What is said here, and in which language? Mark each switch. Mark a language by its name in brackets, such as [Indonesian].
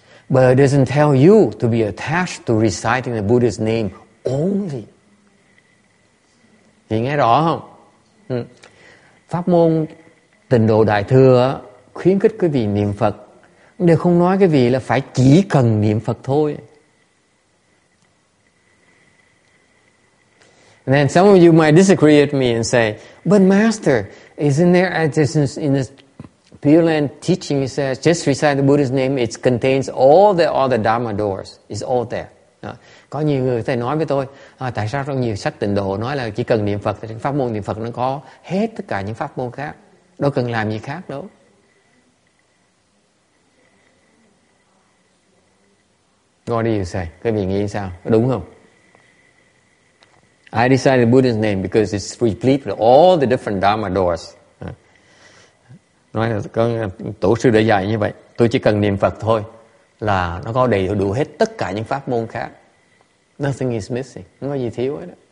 [English] But it doesn't tell you to be attached to reciting the Buddha's name only. [Vietnamese] Thì nghe rõ không? Pháp môn tịnh độ đại thừa khuyến khích quý vị niệm Phật. Đều không nói quý vị là phải chỉ cần niệm Phật thôi. [English] And then some of you might disagree with me and say, but Master, isn't there a difference in this Pure Land teaching? He says, just recite the Buddha's name. It contains all the Dharma doors. It's all there. [Vietnamese] Có nhiều người có thể nói với tôi, tại sao trong nhiều sách tịnh độ nói là chỉ cần niệm Phật, thì pháp môn niệm Phật nó có hết tất cả những pháp môn khác. Đâu cần làm gì khác đâu. [English] What do you say? [Vietnamese] Quý vị nghĩ sao? Đúng không? [English] I decided the Buddha's name because it's replete with all the different Dharma doors. [Vietnamese] Nói là con tổ sư đã dạy như vậy. Tôi chỉ cần niệm Phật thôi là nó có đầy đủ hết tất cả những pháp môn khác. [English] Nothing is missing. [Vietnamese] Không có gì thiếu hết.